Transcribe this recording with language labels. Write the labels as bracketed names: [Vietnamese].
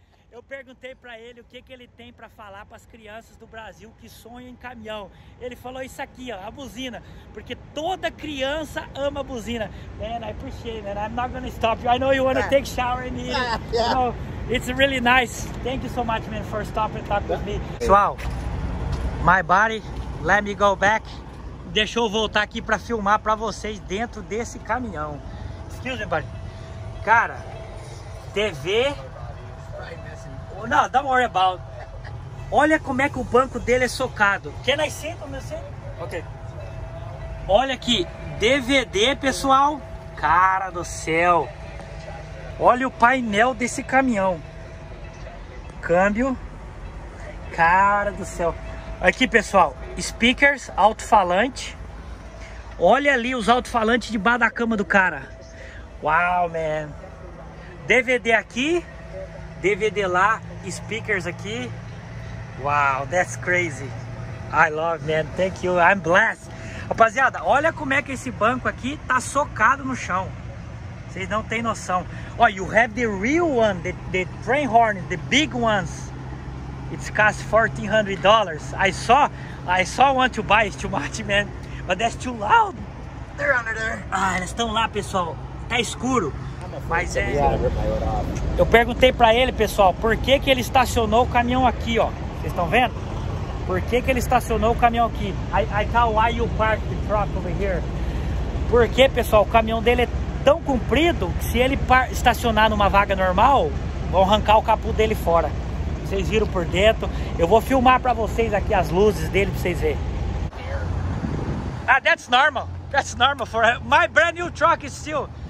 [Portuguese] Eu perguntei para ele o que, que ele tem para falar para as crianças do Brasil que sonham em caminhão. Ele falou isso aqui, ó, a buzina, porque toda criança ama a buzina. [English] Man, I appreciate it, man. I'm not gonna stop you. I know you want to take shower in here. Yeah. So, it's really nice. Thank you so much, man, for stopping and talking with me. [Portuguese] Pessoal, [English] my body, let me go back. [Portuguese] Deixa eu voltar aqui para filmar para vocês dentro desse caminhão. [English] Excuse me, buddy. [Portuguese] Cara, TV. Não, [English] don't worry about. [Portuguese] Olha como é que o banco dele é socado. [English] Can I sit on my seat? Ok. [Portuguese] Olha aqui, DVD, pessoal. Cara do céu. Olha o painel desse caminhão. Câmbio. Cara do céu. Aqui, pessoal, speakers, alto-falante. Olha ali os alto-falantes debaixo da cama do cara. Uau, man. DVD aqui. DVD lá, speakers aqui. [English] Wow, that's crazy. I love, man. Thank you. I'm blessed. [Portuguese] Rapaziada, olha como é que esse banco aqui tá socado no chão. Vocês não tem noção. [English] Oh, you have the real one, the train horn, the big ones. It's cost $1,400. I saw one to buy. It's too much, man. But that's too loud. They're under there. [Portuguese] Ah, eles estão lá, pessoal. Tá escuro. Mas é. Eu perguntei pra ele, pessoal, por que que ele estacionou o caminhão aqui, ó. Vocês estão vendo? Por que que ele estacionou o caminhão aqui? [English] I tell why you park the truck over here. [Portuguese] Porque, pessoal, o caminhão dele é tão comprido que se ele estacionar numa vaga normal, vão arrancar o capô dele fora. Vocês viram por dentro. Eu vou filmar pra vocês aqui as luzes dele pra vocês verem. [English] Ah, that's normal. That's normal for my brand new truck is still.